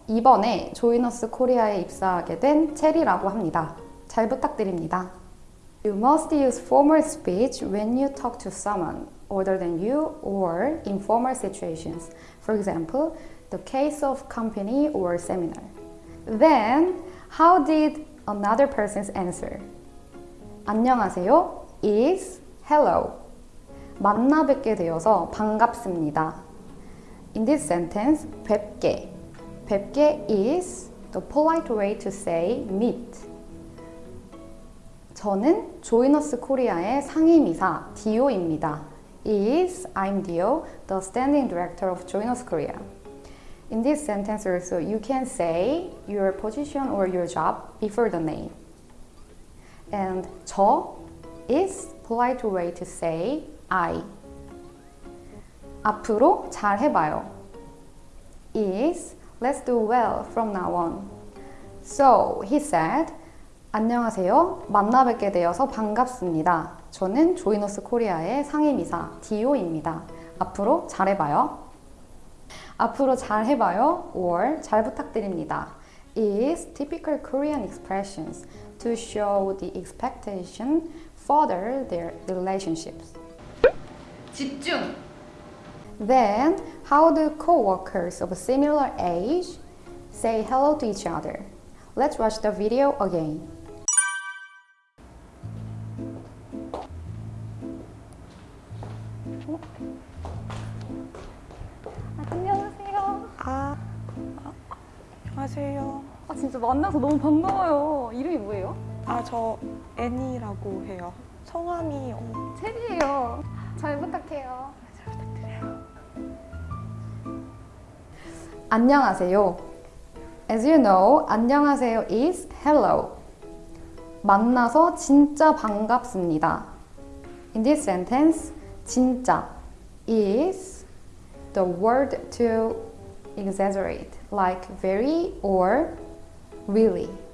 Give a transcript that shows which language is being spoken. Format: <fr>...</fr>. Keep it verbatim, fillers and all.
<ko>이번에 조인 어스 코리아에 입사하게 된 체리라고 합니다. 잘 부탁드립니다.</ko> <en>You must use formal speech when you talk to someone older than you or in formal situations. For example, the case of company or seminar. Then, how did another person's answer?</en> <ko>안녕하세요</ko> <en>is hello.</en> <ko>만나 뵙게 되어서 반갑습니다.</ko> <en>In this sentence, 뵙게. 뵙게 is the polite way to say meet.</en> <ko>저는 조인 어스 코리아의 상임이사 디오입니다.</ko> <en>is I'm Dio, the standing director of Join Us Korea. In this sentence also, you can say your position or your job before the name. And 저 is polite way to say I.</en> <ko>앞으로 잘 해봐요</ko> <en>is let's do well from now on. So he said</en> <ko>안녕하세요. 만나 뵙게 되어서 반갑습니다. 저는 조인 어스 코리아의 상임이사 디오입니다. 앞으로 잘해봐요. 앞으로 잘해봐요</ko> <en>or</en> <ko>잘 부탁드립니다</ko> <en>is typical Korean expressions to show the expectation further their relationships.</en> <ko>집중!</ko> <en>Then, how do co-workers of a similar age say hello to each other? Let's watch the video again.</en> <ko>안녕하세요. 아, 아, 안녕하세요. 아, 진짜 만나서 너무 반가워요. 이름이 뭐예요? 아, 저 애니라고 해요. 성함이 어, 체리예요. 잘 부탁해요. 잘 부탁드려요. 안녕하세요.</ko> <en>As you know, 안녕하세요 is hello.</en> <ko>만나서 진짜 반갑습니다.</ko> <en>In this sentence, 진짜 is the word to exaggerate, like very or really.</en>